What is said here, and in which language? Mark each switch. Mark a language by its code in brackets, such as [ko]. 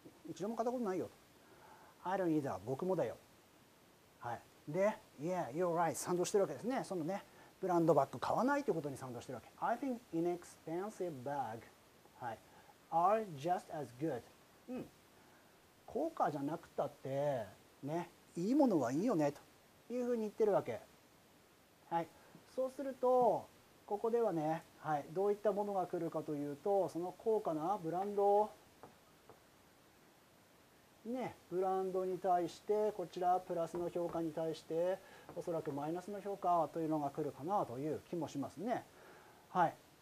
[ja] 一度も買ったことないよ。 [en] I don't either. [ja] 僕もだよ。はい。で、 [en] Yeah, you're right. [ja] 賛同してるわけですね。そのね、ブランドバッグ買わないということに賛同してるわけ。 [en] I think inexpensive bags、はい、are just as good. うん。 [ja] 高価じゃなくたって、ね、いいものはいいよね、というふうに言ってるわけ。はい、そうするとここではね、はい、どういったものが来るかというと、その高価なブランドね、ブランドに対してこちらプラスの評価に対しておそらくマイナスの評価というのが来るかなという気もしますね、はい、